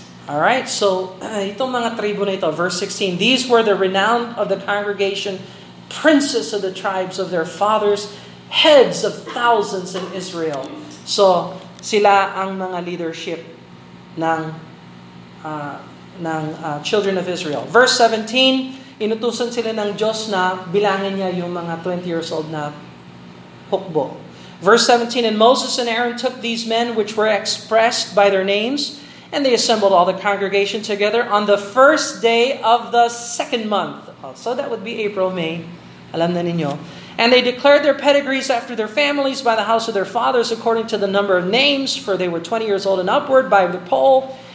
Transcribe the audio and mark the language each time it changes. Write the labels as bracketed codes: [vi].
[en] Alright, [tl] so itong mga tribu na ito, [en] verse 16, these were the renowned of the congregation, princes of the tribes of their fathers, heads of thousands in Israel. [tl] So, sila ang mga leadership ng children of Israel. Verse 17, inutusan sila ng Diyos na bilangin niya yung mga 20 years old na hukbo. [en] Verse 17, and Moses and Aaron took these men which were expressed by their names, and they assembled all the congregation together on the first day of the second month. So that would be April, May. [tl] Alam na ninyo. [en] And they declared their pedigrees after their families by the house of their fathers according to the number of names, for they were 20 years old and upward by the poll.